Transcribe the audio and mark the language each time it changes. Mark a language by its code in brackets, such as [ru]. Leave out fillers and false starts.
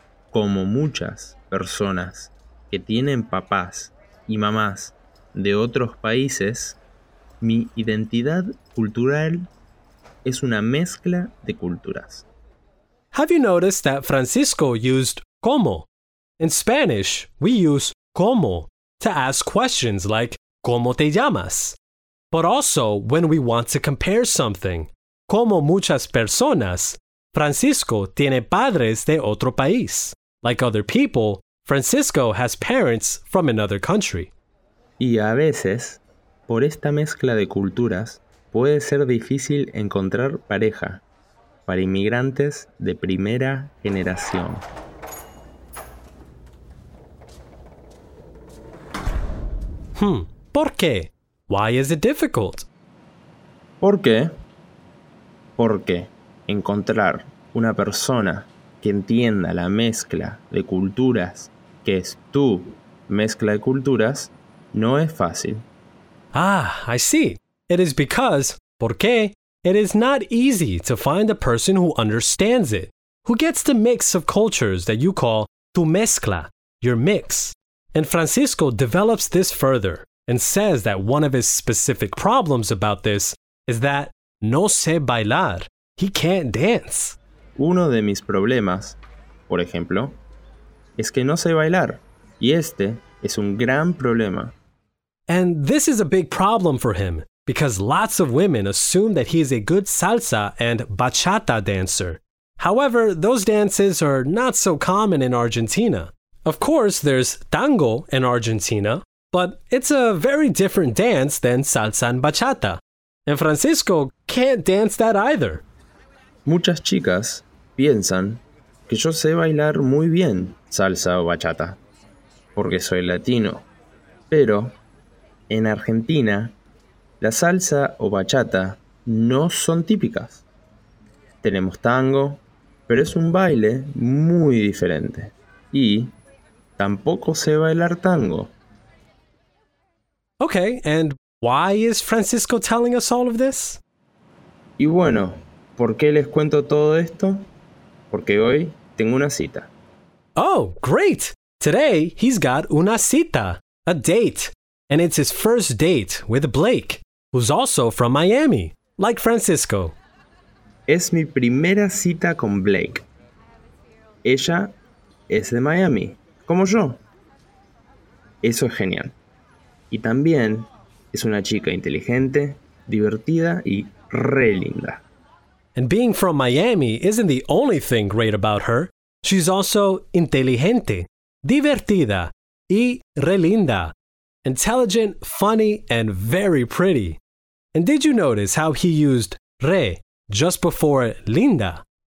[es] Como muchas personas que tienen papás y mamás de otros países, mi identidad cultural es una mezcla de culturas. [en] Have you noticed that Francisco used como? In Spanish, we use como to ask questions like [es] ¿cómo te llamas? [en] But also when we want to compare something. [es] Como muchas personas, Francisco tiene padres de otro país. [en] Like other people, Francisco has parents from another country. [es] Y a veces, por esta mezcla de culturas, puede ser difícil encontrar pareja para inmigrantes de primera generación. ¿Por qué? [en] Why is it difficult? [es] ¿Por qué? Porque encontrar una persona que entienda la mezcla de culturas, que es tu mezcla de culturas, no es fácil. [en] Ah, I see. It is because, [es] ¿por qué? [en] It is not easy to find a person who understands it, who gets the mix of cultures that you call tu mezcla, your mix. And Francisco develops this further and says that one of his specific problems about this is that [es] no sé bailar. [en] He can't dance. [es] Uno de mis problemas, por ejemplo, es que no sé bailar. Y este es un gran problema. [en] And this is a big problem for him, because lots of women assume that he is a good salsa and bachata dancer. However, those dances are not so common in Argentina. Of course, there's tango in Argentina, but it's a very different dance than salsa and bachata. And Francisco can't dance that either. [es] Muchas chicas piensan que yo sé bailar muy bien salsa o bachata, porque soy latino. Pero en Argentina, la salsa o bachata no son típicas. Tenemos tango, pero es un baile muy diferente. Y tampoco sé bailar tango. [en] Okay, and why is Francisco telling us all of this? [es] Y bueno, ¿por qué les cuento todo esto? Porque hoy tengo una cita. [en] Oh, great! Today he's got una cita, a date. And it's his first date with Blake, who's also from Miami, like Francisco. [es] Es mi primera cita con Blake. Ella es de Miami, como yo. Eso es genial. Y también es una chica inteligente, divertida y re linda. [en] And being from Miami isn't the only thing great about her. She's also [es] inteligente, divertida y re linda. [en] Intelligent, funny, and very pretty. And did you notice how he used re just before linda?